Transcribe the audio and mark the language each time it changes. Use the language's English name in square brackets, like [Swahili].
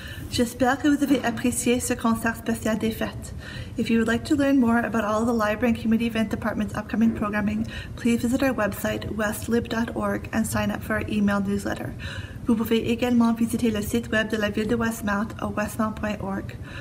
[French] J'espère que vous avez apprécié ce concert spécial des fêtes. [English] If you would like to learn more about all the library and community event department's upcoming programming, please visit our website, westlib.org, and sign up for our email newsletter. [French] Vous pouvez également visiter le site web de la ville de Westmount au westmount.org.